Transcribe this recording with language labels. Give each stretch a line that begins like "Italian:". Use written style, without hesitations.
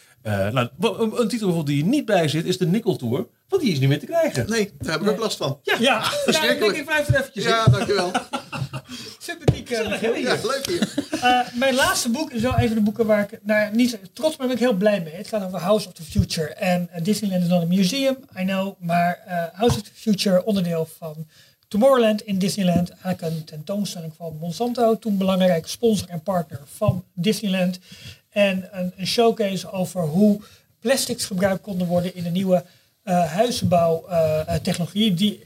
Dutch: Een titel bijvoorbeeld die niet bij zit, is de Nickel Tour, want die is niet meer te krijgen. Nee, daar heb ik ook last van. Ja, verschrikkelijk. Ja, ik blijf er eventjes in. Ja, dankjewel. Sympathiek. Leuk hier. Mijn laatste boek is wel even de boeken waar ik niet trots ben, ben ik heel blij mee. Het gaat over House of the Future. En
English: Disneyland is not a museum, I know.
Dutch: Maar House of the Future, onderdeel van Tomorrowland in Disneyland. Eigenlijk een tentoonstelling van Monsanto. Toen belangrijk sponsor en partner van Disneyland. En een showcase over hoe plastics gebruikt konden worden in de nieuwe huizenbouwtechnologie.